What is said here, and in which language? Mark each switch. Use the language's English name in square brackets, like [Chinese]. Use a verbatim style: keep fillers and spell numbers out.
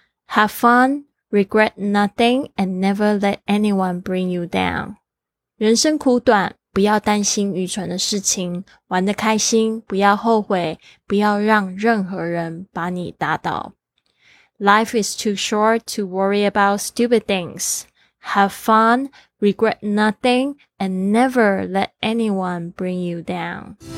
[English] Have fun, regret nothing, and never let anyone bring you down. [Chinese] 人生苦短，不要担心愚蠢的事情，玩得开心，不要后悔，不要让任何人把你打倒。 [English] Life is too short to worry about stupid things. Have fun, regret nothing, and never let anyone bring you down.